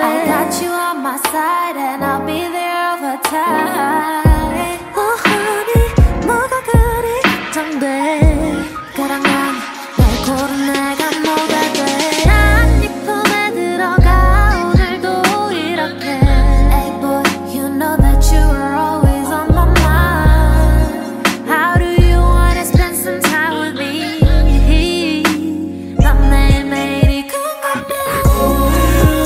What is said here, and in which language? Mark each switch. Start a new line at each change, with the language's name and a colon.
English: I got you on my side and I'll be there all the time Oh honey,
Korean: 뭐가 그리 걱정돼 가랑한 널 고른 내가 뭐가 돼 난 네 품에 들어가 오늘도 이렇게
English: Hey boy, you know that you are always on my mind How do you wanna spend some time with me?
Korean: 난 매일매일이 궁금해